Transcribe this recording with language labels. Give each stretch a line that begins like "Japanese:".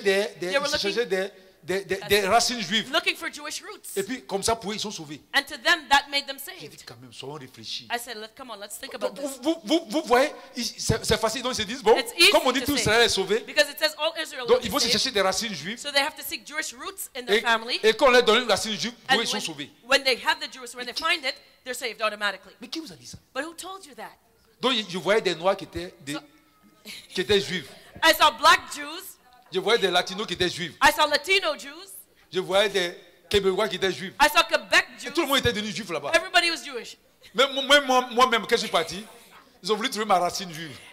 English: saved,
French: des racines juives.
English: Looking for Jewish roots.
French: Et puis comme ça pour eux ils sont sauvés.
English: And to them that made them saved.
French: J'ai dit quand même soyons réfléchis.
English: I said come on let's think about
French: donc,
English: this.
French: Vous voyez c'est facile donc ils se disent bon comme on dit tout Israël est sauvé.
English: Because it says all Israel.
French: Donc ils vont se chercher des racines juives.
English: So they have to seek Jewish roots in their family.
French: Et quand on leur donne une racine juive pour eux ils sont sauvés.
English: When they have the Jewish when they find it they're saved automatically.
French: Mais qui vous a dit ça?
English: But who told you that?
French: Donc je voyais des noirs qui étaient juifs.
English: I saw black Jews.
French: Je voyais des latinos qui étaient juifs.
English: I saw Latino Jews.
French: Je voyais des québécois qui étaient juifs.
English: I saw Quebec Jews.
French: Et tout le monde était devenu juif là-bas.
English: Everybody was Jewish.
French: Mais moi-même quand je suis parti, ils ont voulu trouver ma racine juive.